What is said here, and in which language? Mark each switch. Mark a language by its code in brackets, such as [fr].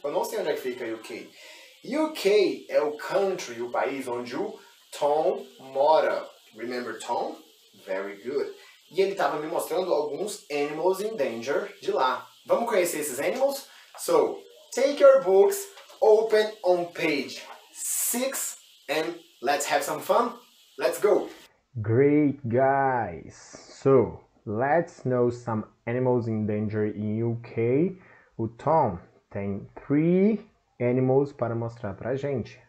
[pt] Eu não sei onde é que fica UK. UK é o country, o país onde o Tom mora. [en] Remember Tom? Very good. [pt] E ele tava me mostrando alguns [en] animals in danger [pt] de lá. Vamos conhecer esses animals? [en] So, take your books, open on page 6 and let's have some fun. Let's go. Great, guys. So, let's know some animals in danger in UK. [pt] O Tom tem 3 animals para mostrar pra gente.